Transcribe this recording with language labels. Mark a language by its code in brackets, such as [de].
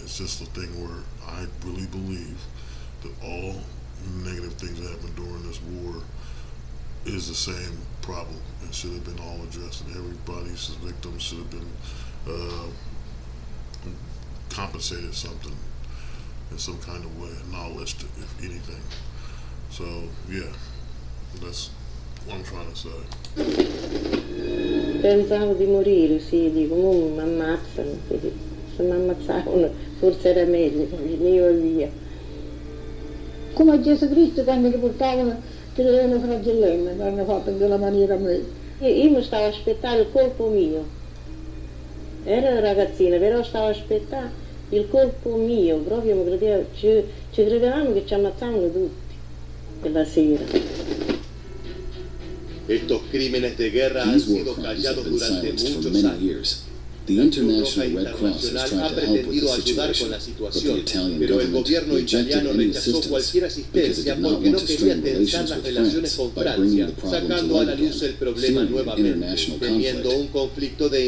[en] It's just a thing where I really believe that all negative things that happened during this war is the same problem and should have been all addressed, and everybody's victims should have been compensated something in some kind of way, acknowledged if anything. So yeah, that's what I'm trying to say. [it] Pensavo di morire, sì, dico, mi ammazzano, se mi ammazzavano forse era meglio, venivo via. Come a Gesù Cristo quando li portavano, che erano fragellemme, l'hanno fatto in quella maniera a me. Io mi stavo aspettando il colpo mio. Era ragazzina, però stavo aspettando il colpo mio, proprio mi credeva, ci credevamo che ci ammazzavano tutti quella sera. [en] These war crimes have been silenced for many years. The International Red Cross has tried to help with the situation, but the Italian government rejected any assistance because it did not want to strain relations with France by bringing the problem to light again, fearing an international conflict.